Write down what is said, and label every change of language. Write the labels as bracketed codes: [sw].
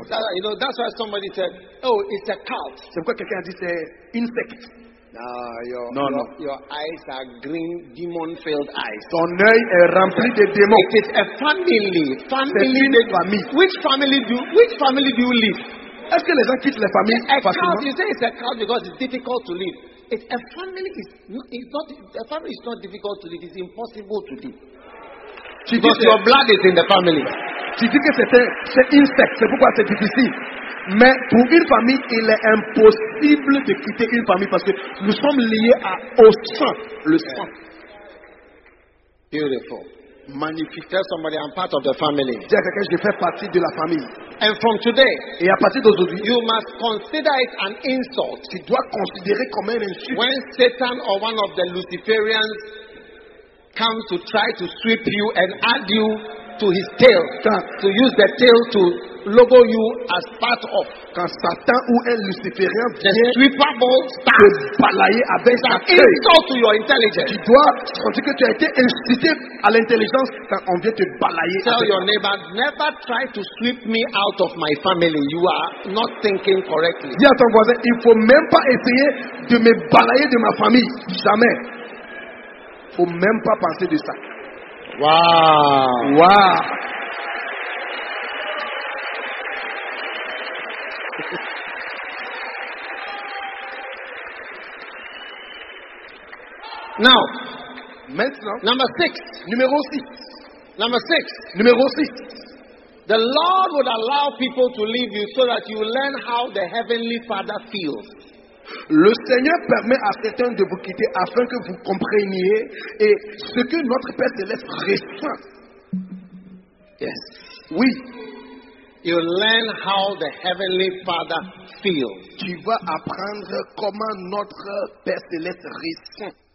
[en] That, you know, that's why somebody said, oh, it's a cult. [fr] C'est pourquoi quelqu'un a dit c'est une secte. [en] Your eyes are green, demon-filled eyes. [fr] Ton œil est rempli de démons. [en] It is a family. Family. [fr] C'est une famille. [en] Which family do you live? [fr] Est-ce que les gens quittent les familles facilement? [en] You say it's a cult because it's difficult to live. It's a family. A family is not difficult to live. It's impossible to live. Because your blood is in the family. [fr] Tu dis que c'est une secte. C'est pourquoi c'est difficile. Mais pour une famille, il est impossible de quitter une famille parce que nous sommes liés au sang, le sang. [en] Beautiful. [fr] Magnifique. [en] Tell somebody, I'm part of the family. [fr] Dis à quelqu'un, je fais partie de la famille. [en] And from today, [fr] et à partir d'aujourd'hui, [en] you must consider it an insult. [fr] Tu dois considérer comme une insulte. [en] When Satan or one of the Luciferians comes to try to sweep you and add you to his tail, to use the tail to logo you as part of. [fr] Quand Satan ou un Luciférien vient te balayer avec sa queue, tu dois sentir que tu as été incité à l'intelligence quand on vient te balayer. [en] Tell your neighbor, never try to sweep me out of my family. You are not thinking correctly. [fr] Dis à ton voisin, il ne faut même pas essayer de me balayer de ma famille. Jamais. Il faut même pas penser de ça. Wow. Wow. [en] Now, [fr] maintenant, [en] number six, [fr] numéro six, [en] number six, [fr] numéro six. [en] The Lord would allow people to leave you so that you learn how the Heavenly Father feels. [fr] Le Seigneur permet à certains de vous quitter afin que vous compreniez et ce que notre Père Céleste ressent. [en] Yes. [fr] Oui. [en] You learn how the Heavenly Father feels. [fr] Tu vas apprendre comment notre Père Céleste ressent.